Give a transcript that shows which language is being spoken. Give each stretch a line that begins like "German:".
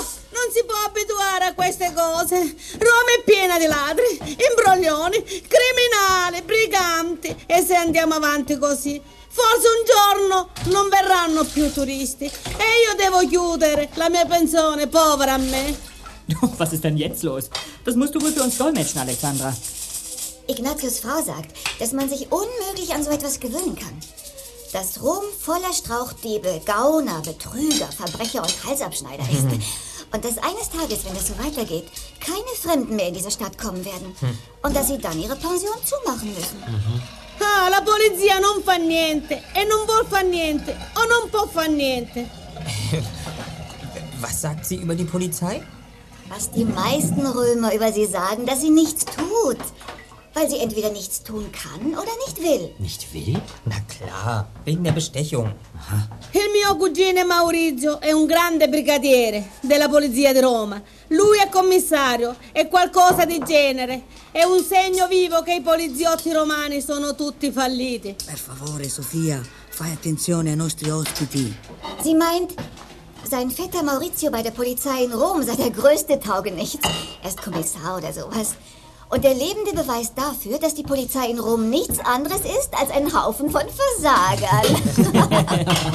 Italian: Non si può abituare a queste cose. Roma è piena di ladri, imbroglioni, criminali, briganti. E se andiamo avanti così, forse un giorno non verranno più turisti. E io devo chiudere la mia pensione, povera a me.
German: Was ist denn jetzt los? Das musst du wohl für uns dolmetschen, Alexandra. Ignatius' Frau sagt, dass man sich unmöglich an so etwas gewöhnen kann. Dass Rom voller Strauchdiebe, Gauner, Betrüger, Verbrecher und Halsabschneider ist. Und dass eines Tages, wenn es so weitergeht, keine Fremden mehr in diese Stadt kommen werden. Und dass sie dann ihre Pension zumachen müssen. Mhm.
Italian: Ah, la polizia non fa niente. E non vuol fa niente. O non può fa niente.
German: Was sagt sie über die Polizei? Was die meisten Römer über sie sagen, dass sie nichts tut. Weil sie entweder nichts tun kann oder nicht will. Nicht will? Na klar, wegen der Bestechung. Aha.
Italian: Il mio cugino Maurizio è un grande brigadiere della polizia di Roma. Lui è commissario e qualcosa di genere. È un segno vivo che i poliziotti romani sono tutti falliti. Per favore, Sofia, fai attenzione ai nostri ospiti.
German: Sie meint, sein Vetter Maurizio bei der Polizei in Rom sei der größte Taugenichts. Er ist Kommissar oder sowas. Und der lebende Beweis dafür, dass die Polizei in Rom nichts anderes ist als ein Haufen von Versagern.